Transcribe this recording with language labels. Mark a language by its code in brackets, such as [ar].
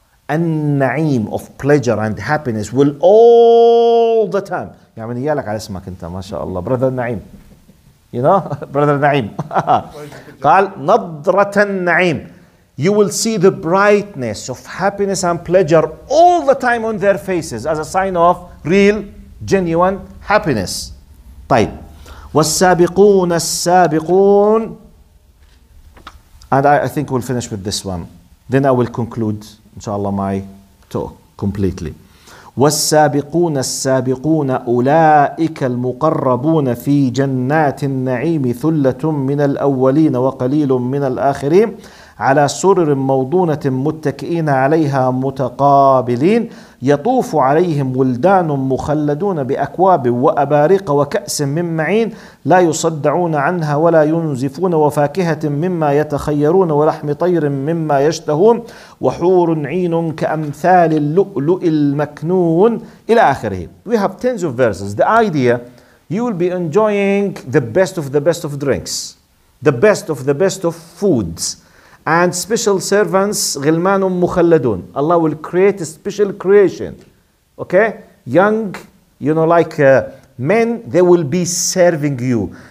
[en] النعيم of pleasure and happiness will all the time. [ar] يعني نيالك على اسمك انت ما شاء الله brother النعيم. [en] You know, brother [ar] النعيم. قال نظرة النعيم. [en] You will see the brightness of happiness and pleasure all the time on their faces as a sign of real, genuine happiness. [ar] طيب. والسابقون السابقون. [en] And I think we'll finish with this one. Then I will conclude, inshallah, my talk completely. [ar] والسابقون السابقون أولئك المقربون في جنات النعيم ثلة من الأولين وقليل من الآخرين على سرر موضونة متكئين عليها متقابلين يطوف عليهم ولدان مخلدون بأكواب وأباريق وكأس من معين لا يصدعون عنها ولا ينزفون وفاكهة مما يتخيرون ولحم طير مما يشتهون وحور عين كأمثال اللؤلؤ المكنون إلى آخره. [en] We have tens of verses. The idea, you will be enjoying the best of drinks, the best of foods. And special servants, [ar] غِلْمَانٌ مُخَلَّدُونَ. [en] Allah will create a special creation. Okay? Young, you know, like men, they will be serving you.